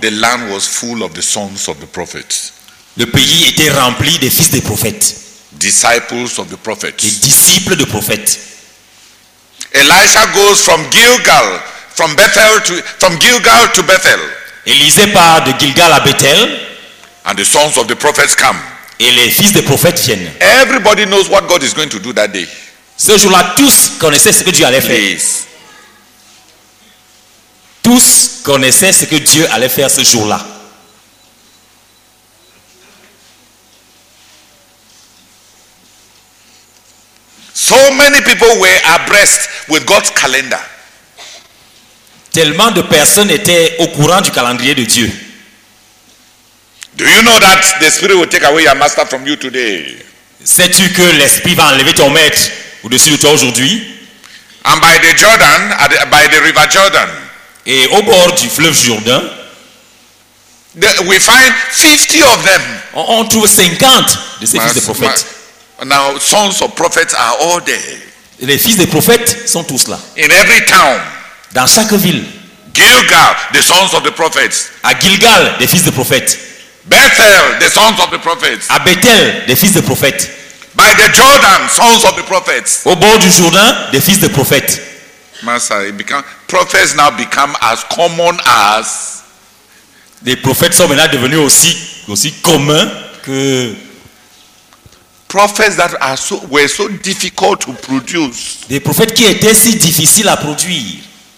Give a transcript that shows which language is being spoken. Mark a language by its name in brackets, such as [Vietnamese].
[English] The land was full of the sons of the prophets. [French] Le pays était rempli des fils des prophètes. [English] Disciples of the prophets. [French] Des disciples de prophètes. [English] Elijah goes from Gilgal, from Gilgal to Bethel. [French] Élisée part de Gilgal à Bethel. [English] And the sons of the prophets come. [French] Et les fils des prophètes viennent. [English] Everybody knows what God is going to do that day. [French] Ce jour-là, tous connaissaient ce que Dieu allait faire. [English] Yes. [French] Tous connaissaient ce que Dieu allait faire ce jour-là. [English] So many people were abreast with God's calendar. [French] Tellement de personnes étaient au courant du calendrier de Dieu. [English] Do you know that the Spirit will take away your master from you today? [French] Sais-tu que l'Esprit va enlever ton maître au-dessus de toi aujourd'hui? [English] And by the river Jordan. [French] Et au bord du fleuve Jourdain. [English] We find 50 of them. [French] On trouve 50 de ces fils de prophètes. [English] Now, sons of prophets are all there. [French] Les fils des prophètes sont tous là. [English] In every town. [French] Dans chaque ville. [English] Gilgal, the sons of the prophets. [French] À Gilgal, des fils des prophètes. [English] Bethel, the sons of the prophets. [French] À Bethel, des fils des prophètes. [English] By the Jordan, sons of the prophets. [French] Au bord du Jourdain, des fils des prophètes. [English] Master, prophets now become as common as. [French] Les prophètes sont maintenant devenus aussi communs que. [English] prophets that are so were so difficult to produce. [French] Des prophètes qui étaient si difficiles à produire.